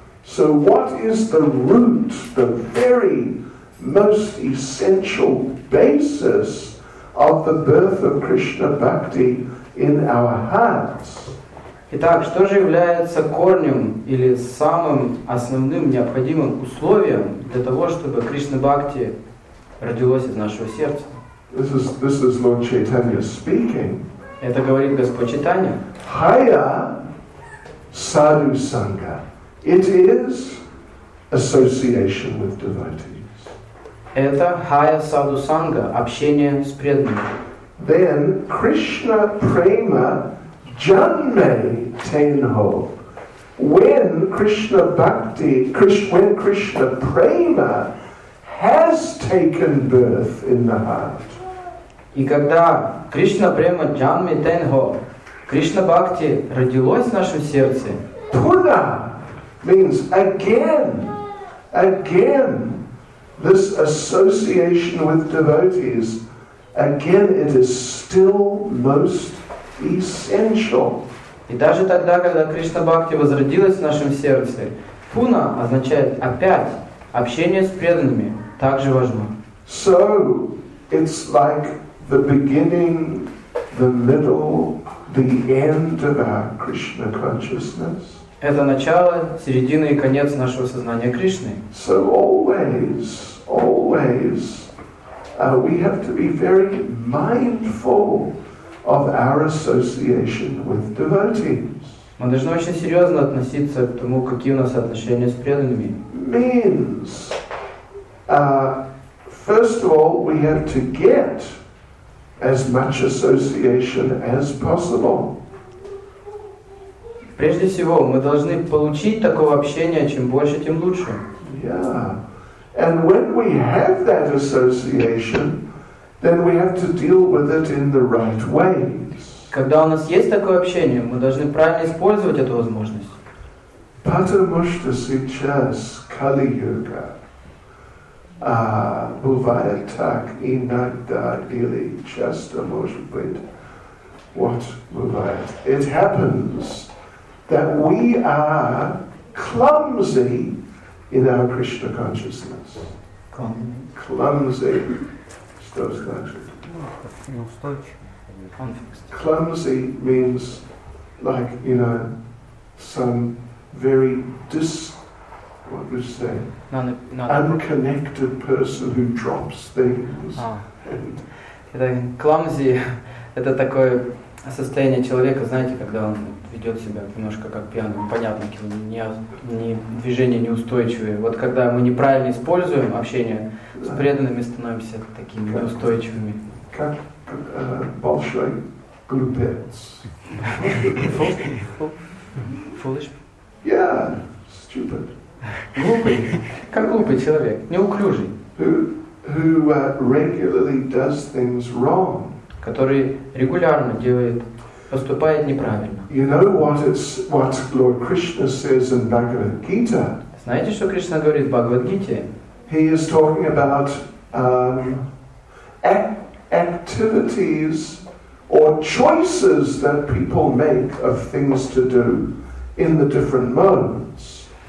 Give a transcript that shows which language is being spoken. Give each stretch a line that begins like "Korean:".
English: So what is the root, the very most essential basis of the birth of Krishna Bhakti in our hearts?
Russian: Итак, что же является корнем или самым основным необходимым условием для того, чтобы Кришна Бхакти родилось из нашего сердца?
English: This is Lord Chaitanya speaking.
Russian: Это говорит Господь Чайтанья.
Sanskrit: Хая Sadhu Sangha.
English: It is association with devotees.
Russian: Это Хая Саду Санга, общение с преданными.
English: Then Krishna Prema Janme Tenho. When Krishna Prema has taken birth in the heart.
Russian: И когда Krishna Prema Janme Tenho. Кришна Бхакти родилось в нашем сердце.
English: Puna means again. Again, this association with devotees. Again, it is still most essential.
Russian: И даже тогда, когда Кришна Бхакти возродилась в нашем сердце, Puna означает опять общение с преданными также важно.
English: So it's like the beginning, the middle. The end of our Krishna consciousness.
Russian: Это начало, середина и конец нашего сознания Кришны.
English: So always we have to be very mindful of our association with devotees.
Russian: Мы должны очень серьезно относиться к тому, какие у нас отношения с преданными.
English: Means, first of all, we have to get as much association as possible.
Russian: Прежде всего, мы должны получить такого общения, чем больше, тем лучше.
English: Yeah. And when we have that association, then we have to deal with it in the right ways.
Russian: Когда у нас есть такое общение, мы должны правильно использовать эту возможность. Потому что сейчас Кали-юга бывает так иногда или часто, может быть, вот бывает.
English: It happens that we are clumsy in our Krishna consciousness. Clumsy means like, you know, some very unconnected person who drops things.
Russian: Это clumsy, это такое состояние человека, знаете, когда он ведет себя немножко как пьяный, понятно, не движение неустойчивое. Вот когда мы неправильно используем общение с преданными, становимся такими неустойчивыми. Как большой глупец.
English: Foolish? Yeah, stupid.
Russian: Глупый. Как глупый человек, неуклюжий.
English: Who regularly does things wrong.
Russian: Который регулярно делает, поступает неправильно.
English: You know what Lord Krishna says in Bhagavad Gita?
Russian: Знаете, что Кришна говорит в Бхагавад-гите?
English: He is talking about activities or choices that people make of things to do in the different modes.